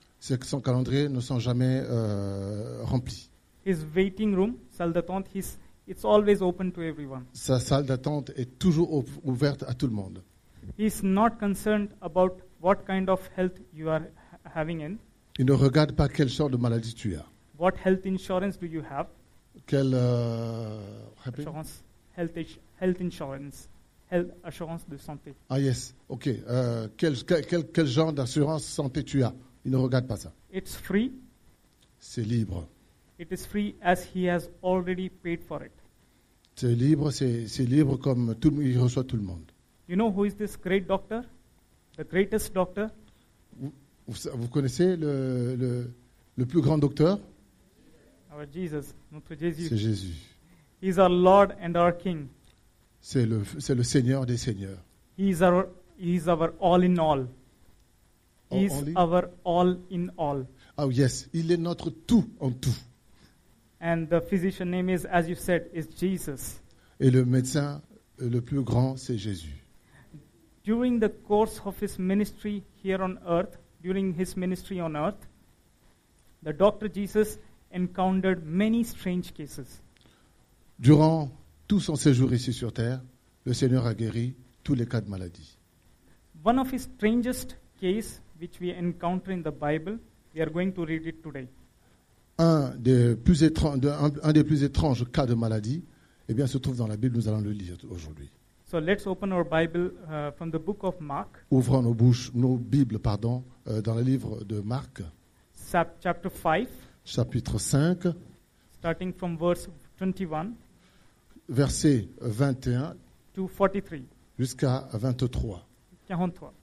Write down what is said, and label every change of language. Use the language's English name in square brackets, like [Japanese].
[French] C'est que son calendrier ne sont jamais remplis. [English] His waiting room, [French] salle d'attente, [English] it's always open to everyone. [French] Sa salle d'attente est toujours ouverte à tout le monde. [English] He's not concerned about what kind of health you are having in. [French] Il ne regarde pas quelle sorte de maladie tu as. [English] What health insurance do you have? [French] Quelle [English] assurance, health insurance, health assurance [French] de santé. [English] Ah yes, ok. [French] Quel genre d'assurance santé tu as? Il ne regarde pas ça. [English] It's free. [French] C'est libre. [English] It is free as he has already paid for it. [French] C'est libre, c'est libre comme tout le monde, il reçoit tout le monde. [English] You know who is this great doctor? The greatest doctor? [French] Vous connaissez le plus grand docteur? [English] Our Jesus, [French] notre Jésus. C'est Jésus. [English] He is our Lord and our King. [French] C'est le Seigneur des Seigneurs. [English] He is our all in all. He is our all in all. Oh yes, [French] il est notre tout en tout. [English] And the physician name is, as you said, is Jesus. [French] Et le médecin le plus grand, c'est Jésus. [English] During the course of his ministry here on earth, during his ministry on earth, the doctor Jesus encountered many strange cases. [French] Durant tout son séjour ici sur terre, le Seigneur a guéri tous les cas de maladie. [English] One of his strangest cases which we encounter in the Bible, we are going to read it today. [French] Un des plus étranges cas de maladie, eh bien, se trouve dans la Bible. Nous allons le lire aujourd'hui. [English] So let's open our Bible from the book of Mark. [French] Ouvrons nos Bibles, pardon, dans le livre de Marc. [English] Chapter 5. [French] Chapitre 5, [English] starting from verse 21, [French] verset 21, to 43, jusqu'à 23. 43.